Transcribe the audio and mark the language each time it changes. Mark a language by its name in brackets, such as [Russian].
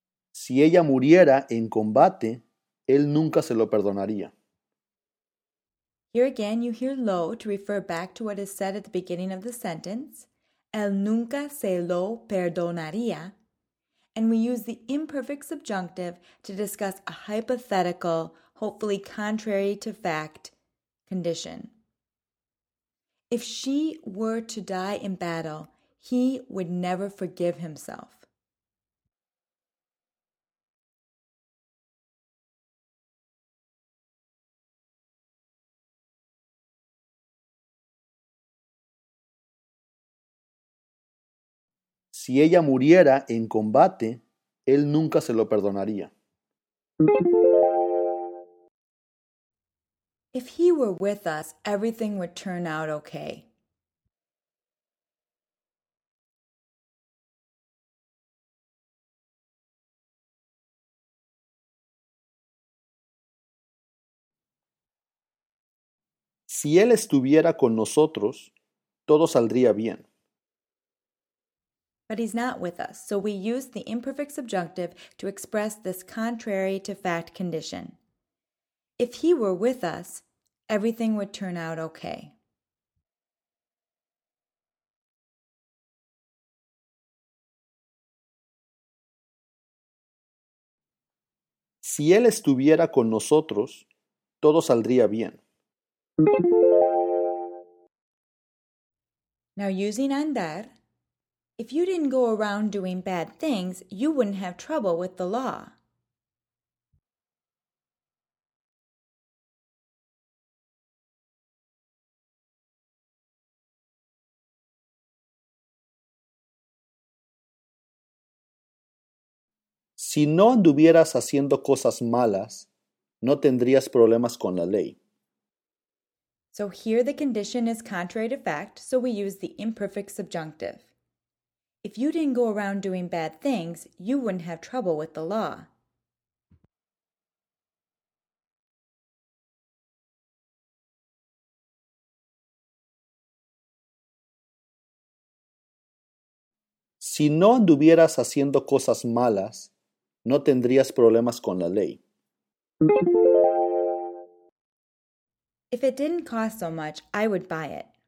[Spanish] Si ella muriera en combate, él nunca se lo perdonaría. [English] Here again, you hear lo to refer back to what is said at the beginning of the sentence. [Spanish] él nunca se lo perdonaría. [English] And we use the imperfect subjunctive to discuss a hypothetical, hopefully contrary to fact, condition. If she were to die in battle, he would never forgive himself. [Spanish] Si ella muriera en combate, él nunca se lo perdonaría. [English] If he were with us, everything would turn out okay. [Spanish] Si él estuviera con nosotros, todo saldría bien. [English] But he's not with us, so we use the imperfect subjunctive to express this contrary to fact condition. If he were with us, everything would turn out okay. [Spanish] Si él estuviera con nosotros, todo saldría bien. [English] Now using andar, if you didn't go around doing bad things, you wouldn't have trouble with the law. [Spanish] Si no anduvieras haciendo cosas malas, no tendrías problemas con la ley. [English] So here the condition is contrary to fact, so we use the imperfect subjunctive. If you didn't go around doing bad things, you wouldn't have trouble with the law. [Spanish] Si no anduvieras haciendo cosas malas, no tendrías problemas con la ley. [English] If it didn't cost so much, I would buy it.